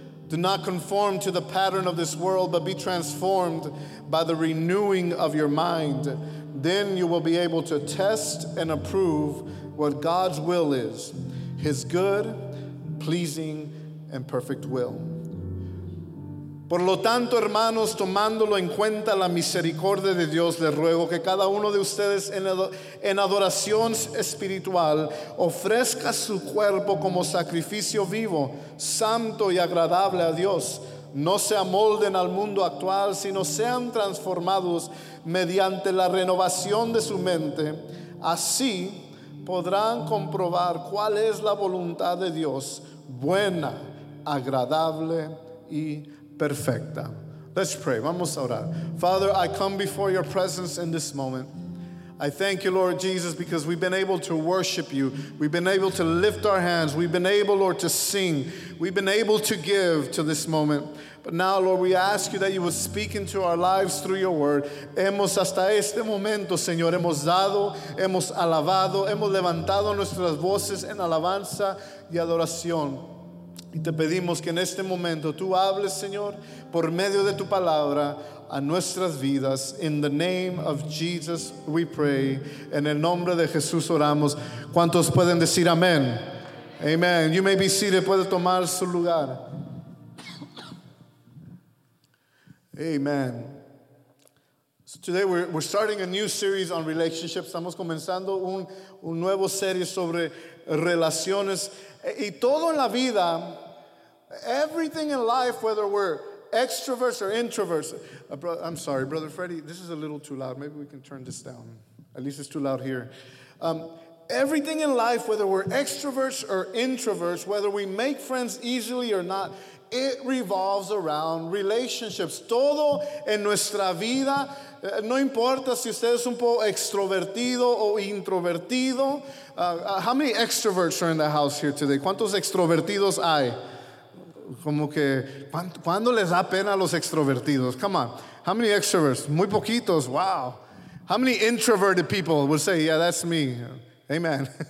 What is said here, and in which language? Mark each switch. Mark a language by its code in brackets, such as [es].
[en] Do not conform to the pattern of this world, but be transformed by the renewing of your mind. Then you will be able to test and approve what God's will is, His good, pleasing, and perfect will. [es] Por lo tanto, hermanos, tomándolo en cuenta la misericordia de Dios, les ruego que cada uno de ustedes en adoración espiritual ofrezca su cuerpo como sacrificio vivo, santo y agradable a Dios. No se amolden al mundo actual, sino sean transformados mediante la renovación de su mente. Así podrán comprobar cuál es la voluntad de Dios, buena, agradable y perfecta." [en] Let's pray. [es] Vamos a orar. [en] Father, I come before your presence in this moment. I thank you, Lord Jesus, because we've been able to worship you. We've been able to lift our hands. We've been able, Lord, to sing. We've been able to give to this moment. But now, Lord, we ask you that you would speak into our lives through your word. [es] Hemos hasta este momento, Señor, hemos dado, hemos alabado, hemos levantado nuestras voces en alabanza y adoración. Y te pedimos que en este momento tú hables, Señor, por medio de tu palabra a nuestras vidas. [en] In the name of Jesus we pray. [es] En el nombre de Jesús oramos. ¿Cuántos pueden decir amén? [en] Amen. You may be seated. [es] Puede tomar su lugar. [en] Amen. So today we're starting a new series on relationships. [es] Estamos comenzando un nuevo serie sobre relaciones. Y todo en la vida, [en] everything in life, whether we're extroverts or introverts. I'm sorry, Brother Freddy, this is a little too loud. Maybe we can turn this down. At least it's too loud here. Everything in life, whether we're extroverts or introverts, whether we make friends easily or not, it revolves around relationships. [es] Todo en nuestra vida, no importa si usted es un poco extrovertido o introvertido. [en] How many extroverts are in the house here today? [es] ¿Cuántos extrovertidos hay? Como que, ¿cuándo les da pena a los extrovertidos? [en] Come on. How many extroverts? [es] Muy poquitos. [en] Wow. How many introverted people would say, "Yeah, that's me"? Amen.